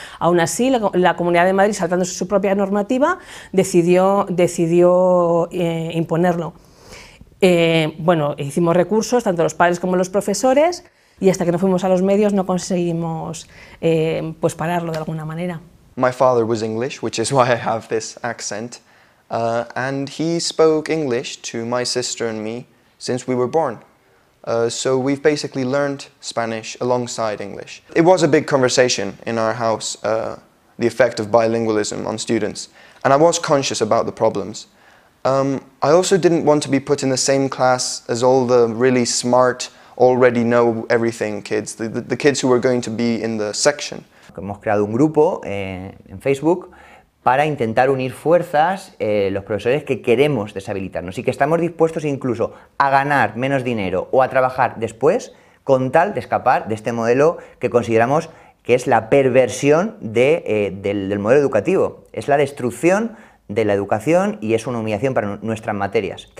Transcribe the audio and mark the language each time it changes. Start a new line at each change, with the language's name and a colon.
Spanish: Aún así, la Comunidad de Madrid, saltándose su propia normativa, decidió imponerlo. Bueno, hicimos recursos, tanto los padres como los profesores, y hasta que no fuimos a los medios no conseguimos pues pararlo de alguna manera.
English: My father was English, which is why I have this accent, and he spoke English to my sister and me since we were born. So we've basically learned Spanish alongside English. It was a big conversation in our house, the effect of bilingualism on students, and I was conscious about the problems. I also didn't want to be put in the same class as all the really smart, already know everything kids, the kids who were going to be in the section.
Spanish: Hemos creado un grupo en Facebook para intentar unir fuerzas los profesores que queremos deshabilitarnos y que estamos dispuestos incluso a ganar menos dinero o a trabajar después con tal de escapar de este modelo que consideramos que es la perversión del modelo educativo, es la destrucción de la educación y es una humillación para nuestras materias.